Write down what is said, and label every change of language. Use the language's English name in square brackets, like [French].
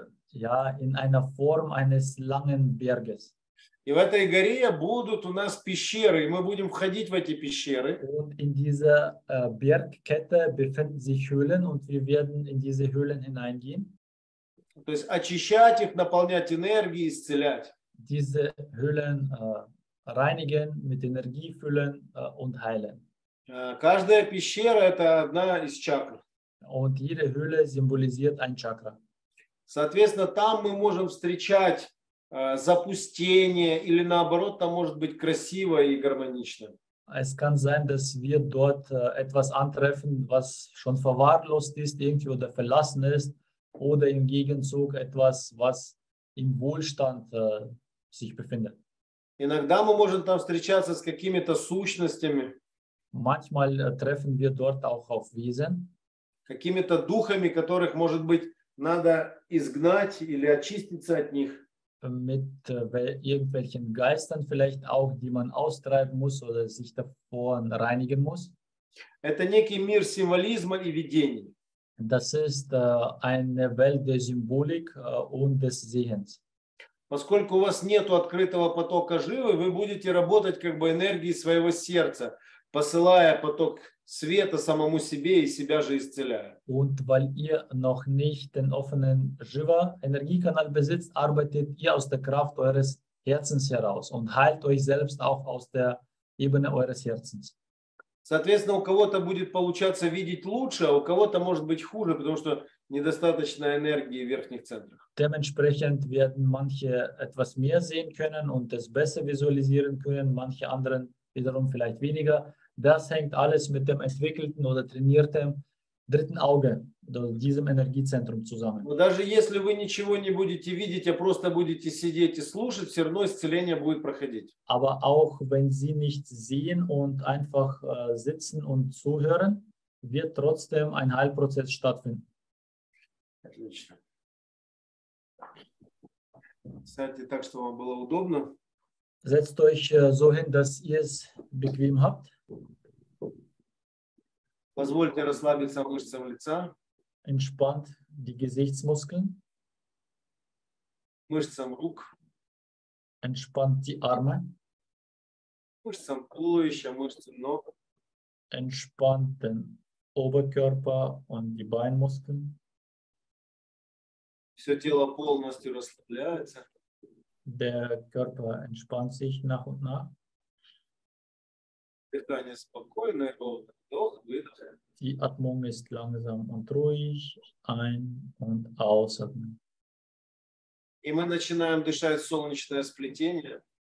[German] Ja, in einer Form eines langen Berges. [Russian] И в этой горе будут у нас пещеры, и мы будем входить в эти пещеры. [German] Und in dieser Bergkette befinden sich Höhlen, und wir werden in diese Höhlen hineingehen. [Russian] То есть очищать их, наполнять энергией, исцелять. [German] Diese Höhlen reinigen, mit Energie füllen und heilen. [Russian] Каждая пещера – это одна из чакр. [German] Und jede Höhle symbolisiert ein Chakra. [Russian] Соответственно, там мы можем встречать запустение или наоборот, там может быть красиво и гармонично. [German] Es kann sein, dass wir dort etwas antreffen, was schon verwahrlost ist irgendwie oder verlassen ist oder im Gegenzug etwas, was im Wohlstand sich befindet. [Russian] Иногда мы можем там встречаться с какими-то сущностями. [German] Manchmal treffen wir dort auch auf Wesen. [Russian] Какими-то духами, которых может быть надо изгнать или очиститься от них. [German] Mit irgendwelchen Geistern vielleicht auch, die man austreiben muss oder sich davor reinigen muss. [Russian] Это некий мир символизма и видений. [German] Das ist eine Welt der Symbolik und des Sehens. [Russian] Поскольку у вас нет открытого потока живы, вы будете работать как бы энергией своего сердца, посылая поток света самому себе и себя же исцеляя. [German] Und weil ihr noch nicht den offenen Jiva-Energiekanal besitzt, arbeitet ihr aus der Kraft eures Herzens heraus und heilt euch selbst auch aus der Ebene eures Herzens. [Russian] Соответственно, у кого-то будет получаться видеть лучше, а у кого-то может быть хуже, потому что недостаточно энергии в верхних центрах. [German] Dementsprechend werden manche etwas mehr sehen können und es besser visualisieren können, manche anderen wiederum vielleicht weniger. Das hängt alles mit dem entwickelten oder trainierten dritten Auge, diesem Energiezentrum zusammen. [Russian] Но даже если вы ничего не будете видеть, а просто будете сидеть и слушать, все равно исцеление будет проходить. [German] Aber auch wenn Sie nicht sehen und einfach sitzen und zuhören, wird trotzdem ein Heilprozess stattfinden. [Russian] Отлично. Сядьте так, чтобы вам было удобно. [German] Setzt euch so hin, dass ihr es bequem habt. [Russian] Позвольте расслабиться мышцам лица. [German] Entspannt die Gesichtsmuskeln. [Russian] Мышцам рук. [German] Entspannt die Arme. [Russian] Мышцам туловища, мышцам ног. [German] Entspannt den Oberkörper und die Beinmuskeln. [Russian] Все тело полностью расслабляется. [German] Der Körper entspannt sich nach und nach. [Russian] Дыхание спокойное, вдох, выдох. [German] Die Atmung ist langsam und ruhig. Ein- und ausatmen. [Russian] И мы начинаем дышать солнечное сплетение.